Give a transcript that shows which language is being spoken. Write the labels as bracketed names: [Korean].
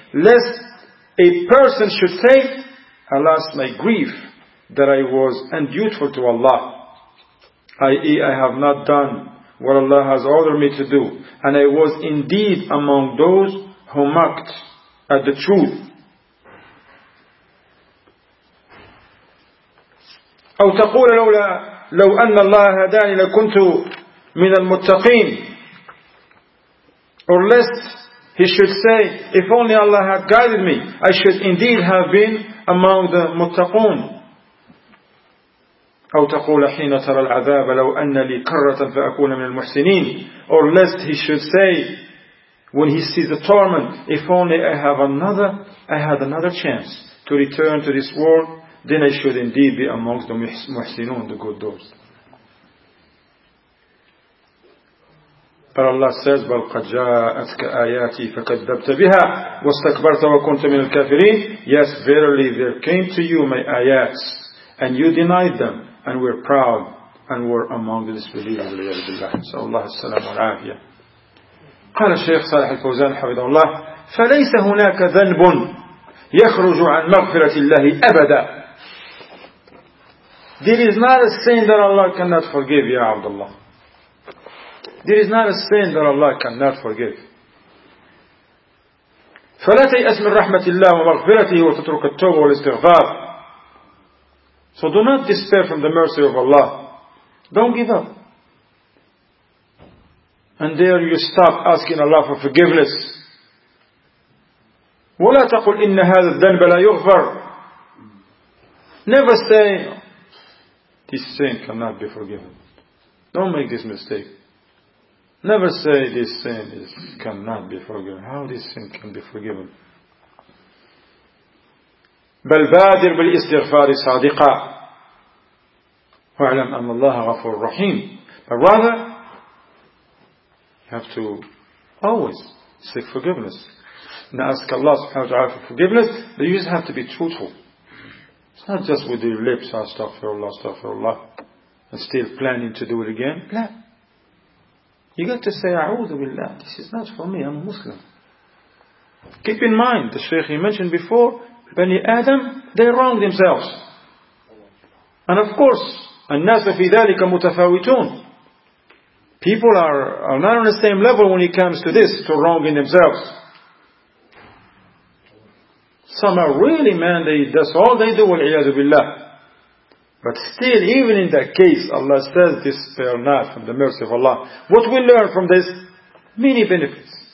[English] Lest a person should say, alas, my grief that I was undutiful to Allah, i.e. I have not done what Allah has ordered me to do, and I was indeed among those who mocked at the truth. [Arabic] أو تقول لو أن الله هداني لكنت من المتقين. [English] Or lest he should say, if only Allah had guided me, I should indeed have been among the muttaqun. [Arabic] أو تقول حين ترى العذاب لو أن لي كرة فأكون من المحسنين. [English] Or lest he should say, when he sees the torment, if only I had another chance to return to this world, then I should indeed be among the muhsinun, the good doors. But Allah says, [Arabic] بَلْ قَدْ جَاءَتْكَ آيَاتِي فَكَذَّبْتَ بِهَا وَاسْتَكْبَرْتَ وَكُنْتَ مِنَ الْكَافِرِينَ. [English] Yes, verily there came to you my ayats, and you denied them, and were proud, and were among the disbelievers. So Allah has salam wa rafiyah. [Arabic] قال الشيخ صالح الفوزان حفظه الله فَلَيْسَ هُنَاكَ ذَنْبٌ يَخْرُجُ عَنْ مَغْفِرَةِ اللَّهِ أَبَدًا. [English] There is not a sin that Allah cannot forgive, Ya Abdullah. There is not a sin that Allah cannot forgive. [Arabic] فلا تيأس من رحمة الله ومغفرته وتترك التوبة والاستغفار. [English] So do not despair from the mercy of Allah. Don't give up. And there you stop asking Allah for forgiveness. [Arabic] ولا تقول إن هذا الذنب لا يغفر. [English] Never say, this sin cannot be forgiven. Don't make this mistake. Never say this sin cannot be forgiven. How this sin can be forgiven? [Arabic] بل بادر بالاستغفار صادقا واعلم أن الله غفور رحيم. [English] But rather, you have to always seek forgiveness. Now ask Allah subhanahu wa ta'ala for forgiveness, but you just have to be truthful. It's not just with your lips, astaghfirullah, astaghfirullah, and still planning to do it again. No. You got to say, a'udhu billah, this is not for me, I'm a Muslim. Keep in mind, the Shaykh he mentioned before, Bani Adam, they wronged themselves. And of course, [Arabic] الناس في ذلك متفاوتون. [English] People are not on the same level when it comes to this, to wronging themselves. Some are really, man, that's all they do, wal'iyadu billah. But still, even in that case, Allah says, despair not from the mercy of Allah. What we learn from this? Many benefits.